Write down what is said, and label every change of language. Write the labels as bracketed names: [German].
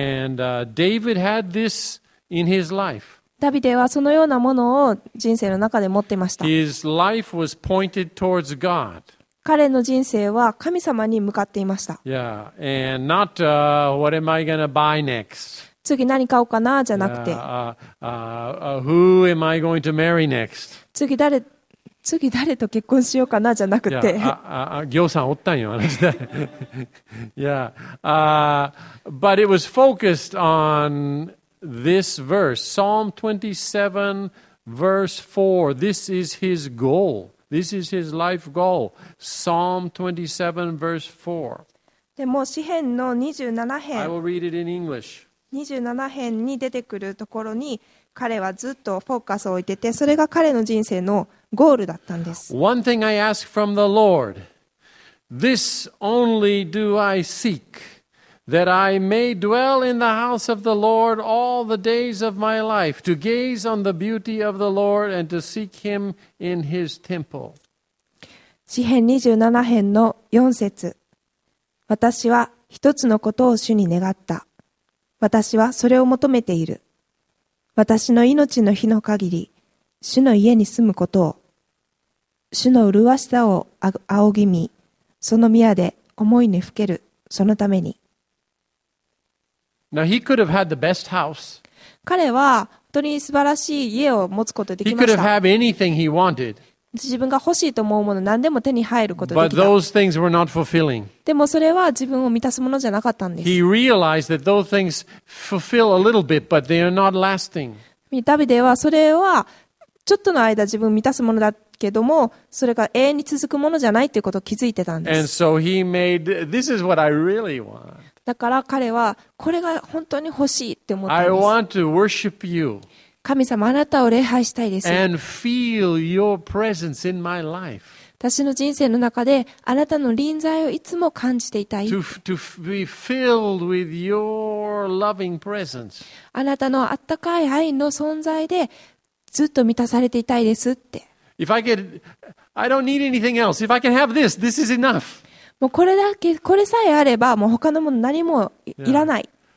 [English] And, David had this in his life. [Japanese] ダビデはそのようなものを人生の中で持っていました。 [English] His life was pointed towards God. [Japanese] 彼の人生は神様に向かっていました。 [English] Yeah. And not, what am I gonna buy next? [Japanese] 次何買おうかなじゃなくて。 [English] Who am I going to marry next? [Japanese] 次誰と結婚しようかなじゃなくて。行さんおったんよ、話だ。 [English] Yeah. But it was focused on...This verse, Psalm 27, Verse 4, this is his goal. This is his life goal. Psalm 27, verse 4. [Japanese] でも詩編の27編、 [English] I will read it in English. [Japanese] 27編に出てくるところに彼はずっとフォーカスを置いてて、それが彼の人生のゴールだったんです。 [English] One thing I ask from the Lord, this only do I seek, that I may dwell in the house of the Lord all the days of my life, to gaze on the beauty of the Lord and to seek him in his temple. [Japanese] 詩編27編の4節。私は一つのことを主に願った。私はそれを求めている。私の命の日の限り、主の家に住むことを、主の麗しさを仰ぎ見、その宮で思いにふける、そのために。 [English] Now he could have had the best house. [Japanese] 彼は本当に素晴らしい家を持つことができました。 [English] He could have had anything he wanted. [Japanese] 自分が欲しいと思うもの何でも手に入ることができた。 [English] But those things were not fulfilling. [Japanese] でもそれは自分を満たすものじゃなかったんです。 [English] He realized that those things fulfill a little bit, but they are not lasting. [Japanese] ダビデはそれはちょっとの間自分を満たすものだけども、それが永遠に続くものじゃないということを気づいてたんです。 [English] And so he made, this is what I really want. [Japanese] だから彼はこれが本当に欲しいって思ったんです。 [English] I want to worship you. [Japanese] 神様、あなたを礼拝したいです。 [English] And feel your presence in my life. [Japanese] 私の人生の中で、あなたの臨在をいつも感じていたい。 [English] To be filled with your loving presence. [Japanese] あなたのあったかい愛の存在で、ずっと満たされていたいですって。 [English] If I get, I don't need anything else. If I can have this, this is enough. [Japanese] もうこれだけ、これさえあれば、もう他のもの何もいらない。